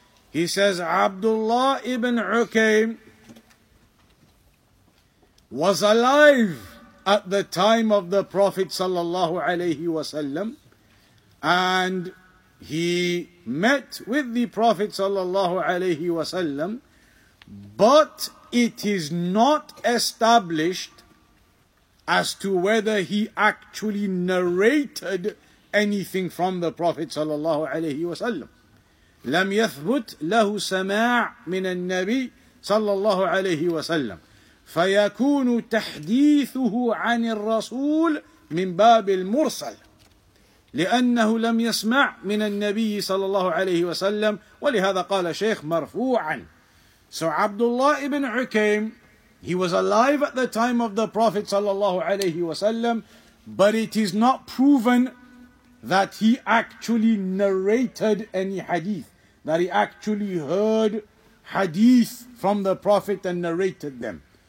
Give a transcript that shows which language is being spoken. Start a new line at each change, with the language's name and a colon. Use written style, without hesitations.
English: He says, Abdullah ibn Ukaym was alive at the time of the Prophet sallallahu alayhi wasallam, and he met with the Prophet sallallahu alayhi wasallam, But it is not established as to whether he actually narrated anything from the Prophet sallallahu alayhi wa sallam.
Arabic: لم يثبت له سماع من النبي صلى الله عليه وسلم فيكون تحديثه عن الرسول من باب المرسل لأنه لم يسمع من النبي صلى الله عليه وسلم ولهذا قال شيخ مرفوعا.
English: So Abdullah ibn Ukaym, he was alive at the time of the Prophet صلى الله عليه وسلم, but it is not proven that he actually narrated any hadith, that he actually heard hadith from the Prophet and narrated them.